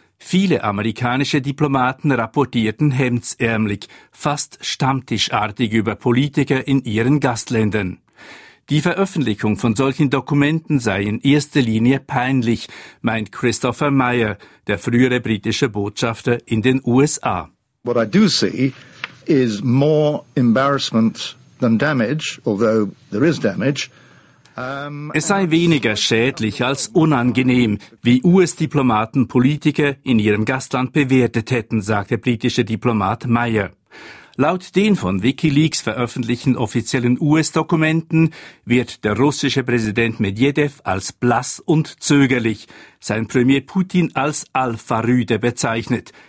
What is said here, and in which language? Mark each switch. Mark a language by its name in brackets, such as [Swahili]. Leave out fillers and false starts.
[German] Viele amerikanische Diplomaten rapportierten hemdsärmlich, fast stammtischartig über Politiker in ihren Gastländern. Die Veröffentlichung von solchen Dokumenten sei in erster Linie peinlich, meint Christopher Meyer, der frühere britische Botschafter in den USA. [English] What I do see is more embarrassment than damage, although there is damage. [German] Es sei weniger schädlich als unangenehm, wie US-Diplomaten Politiker in ihrem Gastland bewertet hätten, sagt der britische Diplomat Meyer. Laut den von WikiLeaks veröffentlichten offiziellen US-Dokumenten wird der russische Präsident Medvedev als blass und zögerlich, sein Premier Putin als Alpha-Rüde bezeichnet,